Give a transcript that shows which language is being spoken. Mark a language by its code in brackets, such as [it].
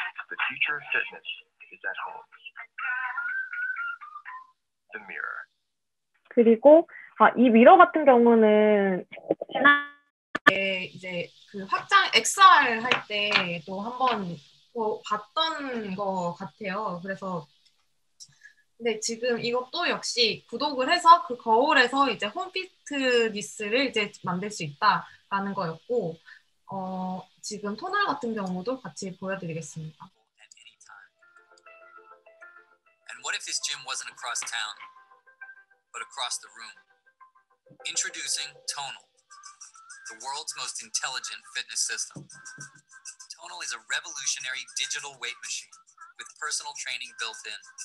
[en] The future of fitness is at home. The mirror. [ko] 그리고 이 미러 같은 경우는 이제 그 확장 XR 할 때 또 한번 봤던 것 같아요. 그래서 근데 지금 이것도 역시 구독을 해서 그 거울에서 이제 홈피트니스를 이제 만들 수 있다라는 거였고, 지금 토널 같은 경우도 같이 보여드리겠습니다. [en] And what if this gym wasn't across town, but across the room? Introducing Tonal, the world's most intelligent fitness system. Tonal is a revolutionary digital weight machine with personal training built in.